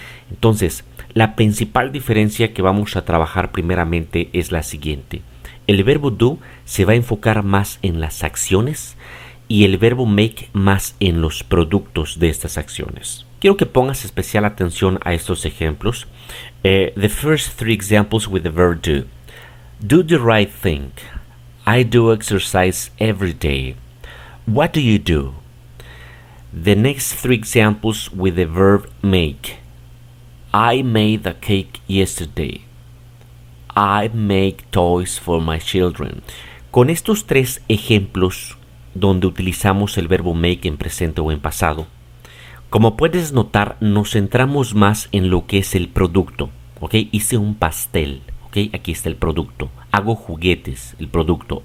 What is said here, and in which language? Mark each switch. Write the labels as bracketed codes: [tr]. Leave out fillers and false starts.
[es] Entonces, la principal diferencia que vamos a trabajar primeramente es la siguiente. El verbo do se va a enfocar más en las acciones y el verbo make más en los productos de estas acciones. Quiero que pongas especial atención a estos ejemplos. [en] The first three examples with the verb do. Do the right thing. I do exercise every day. What do you do? The next three examples with the verb make. I made the cake yesterday. I make toys for my children. [es] Con estos tres ejemplos donde utilizamos el verbo make en presente o en pasado, como puedes notar, nos centramos más en lo que es el producto. ¿Ok? Hice un pastel. Aquí está el producto. Hago juguetes, el producto.